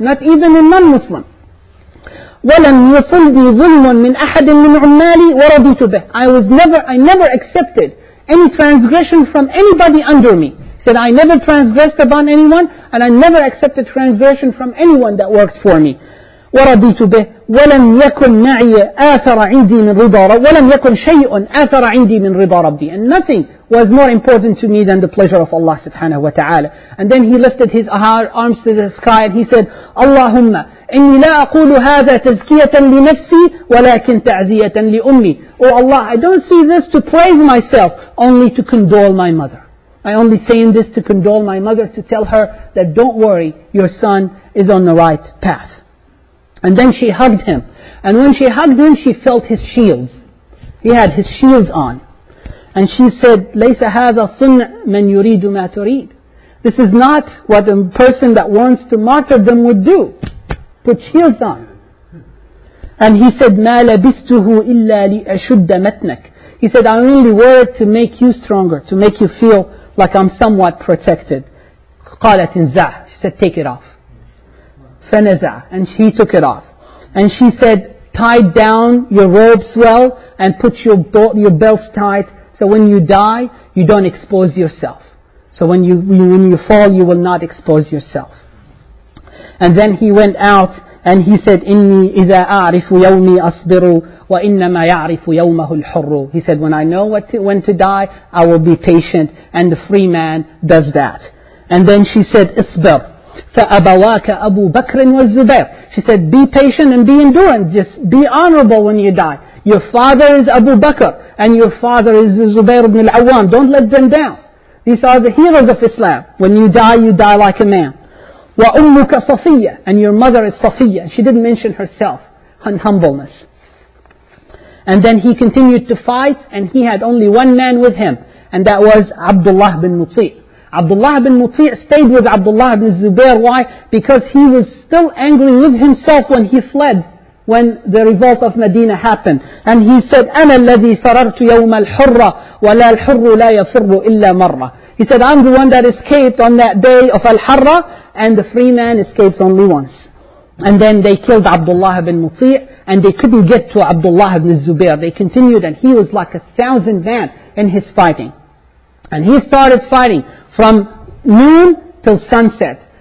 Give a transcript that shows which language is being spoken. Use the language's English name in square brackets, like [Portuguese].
[English] Not even a non-Muslim. [Arabic] وَلَمْ يُصِلْدِي ظُلْمٌ مِنْ أَحَدٍ مِنْ عُمَّالِي وَرَضِيتُ بِهِ. [English] I never accepted any transgression from anybody under me. Said, I never transgressed upon anyone, and I never accepted transgression from anyone that worked for me. [Arabic] ورضيت به ولم يكن معي آثر عندي من رضا ربي ولم يكن شيء آثر عندي من رضا ربي [English] and nothing was more important to me than the pleasure of Allah subhanahu wa ta'ala. And then he lifted his arms to the sky and he said, Allahumma [Arabic] إني لا أقول هذا تزكية لنفسي ولكن تعزية لأمي. [English] Oh Allah, I don't say this to praise myself, only to condole my mother. I only saying this to condole my mother, to tell her that don't worry, your son is on the right path. And then she hugged him. And when she hugged him, she felt his shields. He had his shields on. And she said, [Arabic] لَيْسَ هَذَا صُنْعَ مَنْ يُرِيدُ مَا تُرِيدُ. [English] This is not what a person that wants to martyr them would do. Put shields on. And he said, [Arabic] مَا لَبِسْتُهُ إِلَّا لِأَشُدَّ مَتْنَكَ. [English] He said, I only wear it to make you stronger, to make you feel like I'm somewhat protected. [Arabic] قَالَتْ انْزَعْ. [English] She said, take it off. [Arabic] فَنَزَعْ. [English] And he took it off. And she said, tie down your robes well and put your belts tight so when you die, you don't expose yourself. So when you fall, you will not expose yourself. And then he went out and he said, [Arabic] إِنِّي إِذَا أَعْرِفُ يَوْمِي أَصْبِرُ وَإِنَّمَا يَعْرِفُ يَوْمَهُ الْحُرُّ. [English] He said, when I know when to die, I will be patient. And the free man does that. And then she said, [Arabic] اصبر. فَأَبَوَاكَ أَبُو بَكْرٍ وَالزُّبَيْرِ. [English] She said, be patient and be endurant. Just be honorable when you die. Your father is Abu Bakr and your father is Zubair ibn al-Awwam. Don't let them down. These are the heroes of Islam. When you die like a man. [Arabic] وَأُمُّكَ صَفِيَّ. [English] And your mother is Safiyyah. She didn't mention herself in humbleness. And then he continued to fight and he had only one man with him. And that was Abdullah ibn Muti'. Abdullah ibn Muti' stayed with Abdullah ibn Zubair. Why? Because he was still angry with himself when he fled, when the revolt of Medina happened. And he said, [Arabic] أَنَا الَّذِي فَرَرْتُ يَوْمَ الْحُرَّةِ وَلَا الْحُرُّ لَا يَفِرُّ إِلَّا مَرَّةِ. [English] He said, I'm the one that escaped on that day of Al-Harra, and the free man escapes only once. And then they killed Abdullah ibn Muti' and they couldn't get to Abdullah ibn Zubair. They continued, and he was like 1,000 men in his fighting. And he started fighting from noon till sunset.